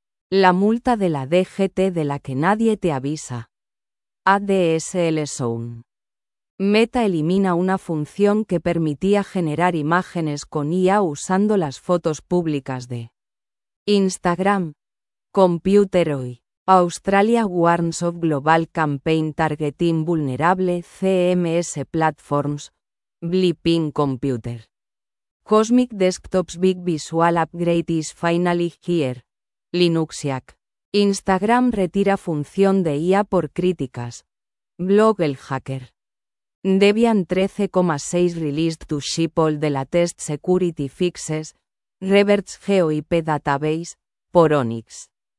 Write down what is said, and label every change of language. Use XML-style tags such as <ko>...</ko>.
<es>La multa de la DGT de la que nadie te avisa. ADSL Zone. Meta elimina una función que permitía generar imágenes con IA usando las fotos públicas de Instagram. Computer Oi.</es> <en>Australia warns of global campaign targeting vulnerable CMS platforms. Bleeping computer. Cosmic Desktop's Big Visual Upgrade is finally here. Linuxiac.</en> <es>Instagram retira función de IA por críticas.</es> <en>Blog El Hacker. Debian 13,6 released to ship all the latest security fixes, reverts GeoIP database, por Onyx.</en>